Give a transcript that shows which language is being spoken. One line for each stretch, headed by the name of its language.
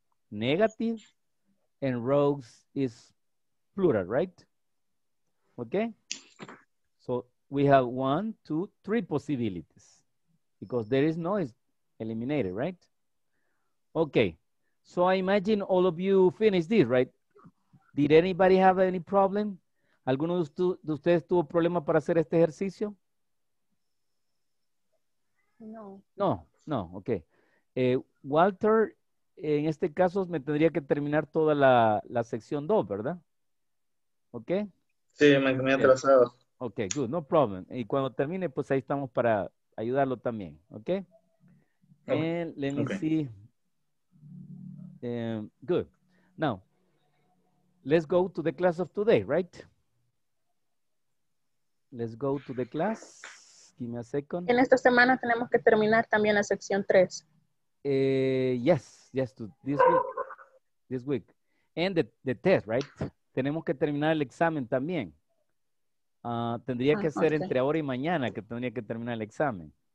English: Negative, and rugs is plural, right? Okay? So we have one, two, three possibilities. Because there is noise eliminated, right? Okay. So I imagine all of you finished this, right? Did anybody have any problem?
Spanish: ¿Alguno de ustedes tuvo problema para hacer este ejercicio? No. No, no, okay. Walter, en este caso me tendría que terminar toda la sección 2, ¿verdad?
English: Okay.
Spanish: Sí, me he atrasado.
English: Okay, good, no problem.
Spanish: Y cuando termine, pues ahí estamos para ayudarlo también, okay?
English: Okay. And let me see. Good. Now, let's go to the class of today, right? Let's go to the class. Give me a second.
Spanish: En esta semana tenemos que terminar también la sección 3.
English: Yes, yes, this week. This week. And the test, right?
Spanish: Tenemos que terminar el examen también. Tendría que ser entre ahora y mañana que tendría que terminar el examen.